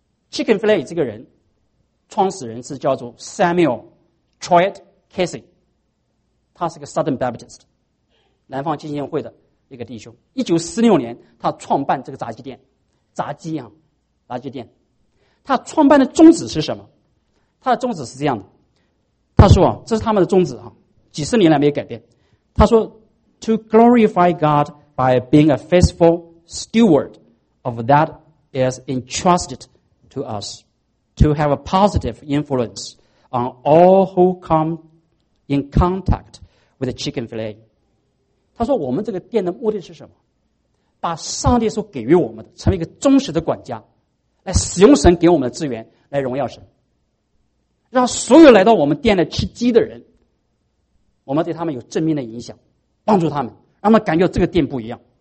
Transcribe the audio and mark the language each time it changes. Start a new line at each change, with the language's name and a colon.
Chinese: Chicken Fillet 这个人创始人是叫做 Samuel Troyett Casey， 他是个 Southern Baptist 南方浸信会的一个弟兄。 1946年他创办这个炸鸡店，炸鸡店。他创办的宗旨是什么？他的宗旨是这样的，他说这是他们的宗旨几十年来没有改变。他说
English: To glorify God by being a faithful stewardof that is entrusted to us, to have a positive influence on all who come in contact with the chicken fillet.
Chinese: 他说我们这个店的目的是什么？把上帝所给予我们的成为一个忠实的管家，来使用神给我们的资源来荣耀神，让所有来到我们店来吃鸡的人，我们对他们有正面的影响，帮助他们，让他们感觉这个店不一样。